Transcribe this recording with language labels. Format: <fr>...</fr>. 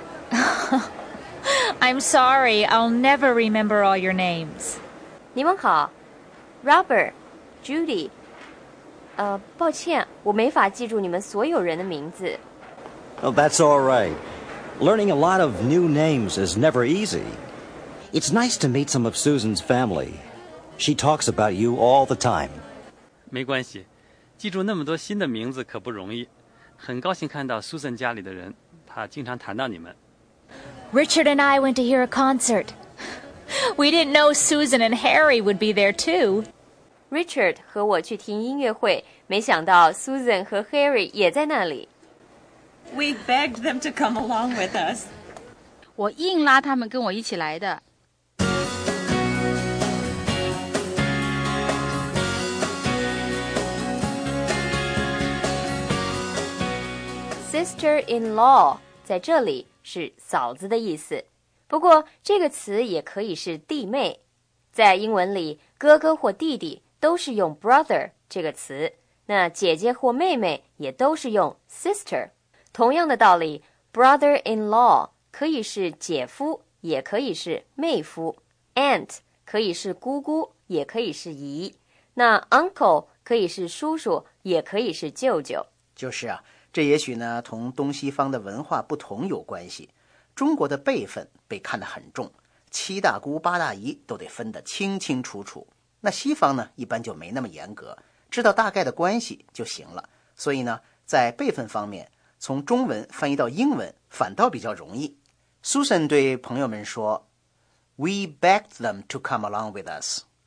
<en>I'm sorry, I'll never remember all your names.</en> <zh>你们好 ，Robert, Judy。抱歉，我没法记住你们所有人的名字。</zh> <en>Oh, that's all right. Learning a lot of new names is never easy. It's nice to meet some of Susan's family. She talks about you all the time.</en> <zh>没关系，记住那么多新的名字可不容易。很高兴看到 Susan 家里的人，她经常谈到你们。</zh> <en>Richard and I went to hear a concert. We didn't know Susan and Harry would be there too.</en> <zh>Richard 和我去听音乐会，没想到 Susan 和 Harry 也在那里。</zh> <en>We begged them to come along with us.</en> <zh>我硬拉他们跟我一起来的。 Sister-in-law 在这里是嫂子的意思，不过这个词也可以是弟妹。在英文里，哥哥或弟弟都是用 brother 这个词，那姐姐或妹妹也都是用 sister。同样的道理 ,brother-in-law 可以是姐夫也可以是妹夫 ,aunt 可以是姑姑也可以是姨，那 uncle 可以是叔叔也可以是舅舅。就是啊，这也许呢同东西方的文化不同有关系。中国的辈分被看得很重，七大姑八大姨都得分得清清楚楚。那西方呢一般就没那么严格，知道大概的关系就行了。所以呢在辈分方面从中文翻译到英文反倒比较容易。</zh> <en>Susan</en> <zh>对朋友们说</zh> <en>We begged them to come along with us.</en>